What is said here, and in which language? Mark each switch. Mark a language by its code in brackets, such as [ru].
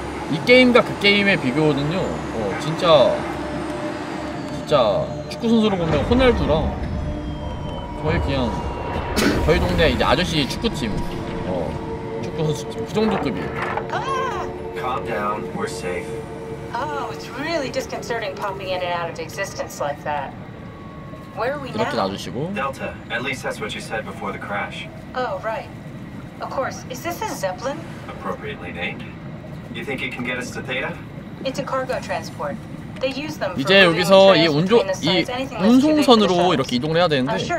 [ko] 이 게임과 그 게임의 비교는요. 어 진짜 진짜 축구 선수로 보면 호날두랑. 거의 그냥 저희 동네 이제 아저씨 축구팀 어 축구 선수팀 그 정도 급이에요. [en] Calm down, we're safe. Oh, it's really disconcerting popping in and out of existence like that. Where are we now? [ko] 이렇게 놔주시고 [en] Delta, at least that's what you said before the crash. Oh, right. Of course, is this a Zeppelin? Appropriately named. You think it can get us to Theta? It's a cargo transport. [ko] 이제 여기서 이 운조 이 운송선으로 이렇게 이동을 해야 되는데.